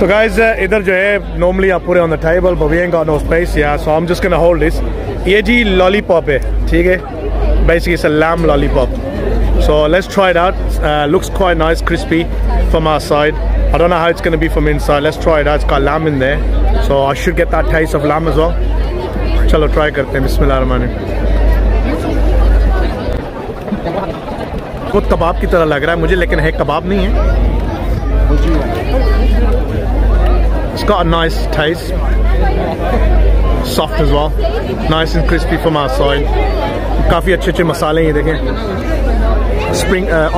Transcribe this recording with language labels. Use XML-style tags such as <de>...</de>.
<en>so guys</en> <hi>idhar jo hai</hi> <en>normally I put it on the table but we ain't got no space yeah so I'm just gonna hold this</en> <hi>ye ji lollipop hai theek hai</hi> <en>basically it's a lamb lollipop So let's try it out. Looks quite nice, crispy from our side. I don't know how it's going to be from inside. Let's try it out. It's got lamb in there. So I should get that taste of lamb as well.</en> <hi>चलो try करते हैं.</hi> <ar>Bismillahirrahmanirrahim.</ar> <hi>कुछ कबाब की तरह लग रहा है मुझे लेकिन है कबाब नहीं है.</hi> <en>It's got got a nice taste. Soft as well. Nice and crispy from our side.</en> <hi>काफी अच्छे अच्छे मसाले हैं देखें.</hi>